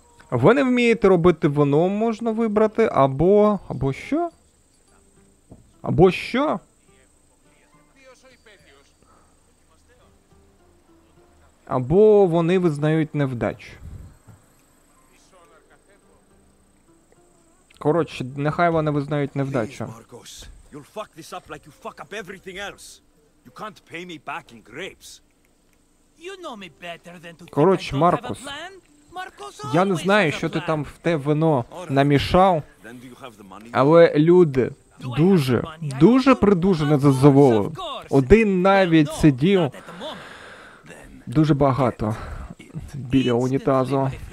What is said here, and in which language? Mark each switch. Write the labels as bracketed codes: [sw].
[uk] Ви не вмієте робити вино, можна вибрати, або... Або що? Або що? Або вони визнають невдачу. Коротше, нехай вони визнають невдачу. [en] Маркус, you'll fuck this up like you fuck up everything else. You can't pay me back in grapes. You know me better than to... [uk] Коротше, Маркус, я не знаю, що ти там в те вино намішав, але люди дуже, дуже придужено задоволені. Один навіть сидів дуже багато біля унітазу.